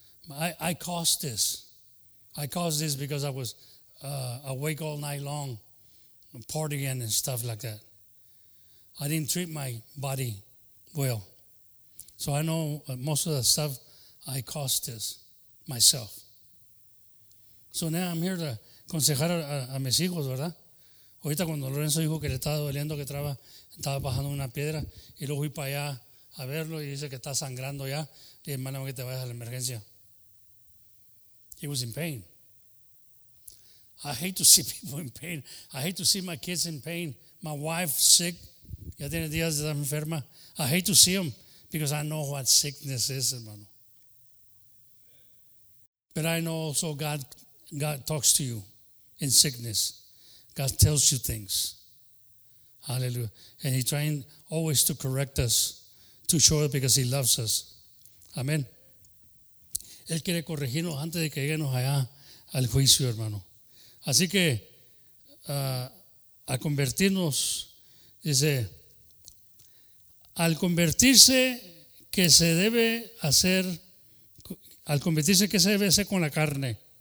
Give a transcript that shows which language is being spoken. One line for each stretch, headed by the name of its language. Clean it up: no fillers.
English: I caused this. I caused this because I was awake all night long, partying and stuff like that. I didn't treat my body well. So I know most of the stuff, I caused this myself. So now I'm here to
Spanish: aconsejar a mis hijos, ¿verdad? Ahorita cuando Lorenzo dijo que le estaba doliendo, que estaba bajando una piedra, y luego fui para allá a verlo, y dice que está sangrando ya, le dije, mándame que te vayas a la emergencia.
English: He was in pain. I hate to see people in pain. I hate to see my kids in pain. My wife sick.
Spanish: Ya tiene días de estar enferma.
English: I hate to see them because I know what sickness is, hermano. But I know also God talks to you in sickness. God tells you things. Hallelujah. And he's trying always to correct us, to show us because he loves us. Amen.
Spanish: Él quiere corregirnos antes de que lleguemos allá al juicio, hermano. Así que, a convertirnos, dice, al convertirse, que se debe hacer al convertirse, que se debe hacer con la carne.